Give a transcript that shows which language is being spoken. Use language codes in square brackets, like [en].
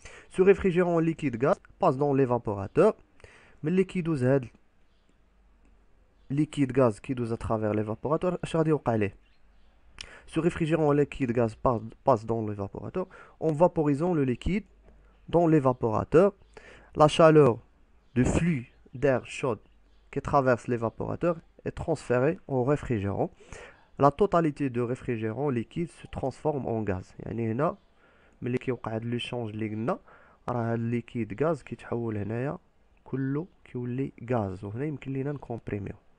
[fr] سو ريفريجيرون ليكيد غاز باس دون ليفابوراتور، [ar] ملي كيدوز هاد ليكيد غاز كيدوز اترافير ليفابوراتور اش غادي يوقع ليه؟ سو ريفريجيرون ليكيد غاز باس دون ليفابوراتور [fr] اون فابوريزون لو ليكيد دون ليفابوراتور. La chaleur du flux d'air chaud qui traverse l'évaporateur est transférée au réfrigérant. La totalité du réfrigérant liquide se transforme en gaz. [ar] يعني هنا ملي كيوقع هذا لو شانج اللي قلنا، راه هذا الليكيد غاز كيتحول هنايا كله كيولي غاز، وهنا يمكن لينا نكومبريميو.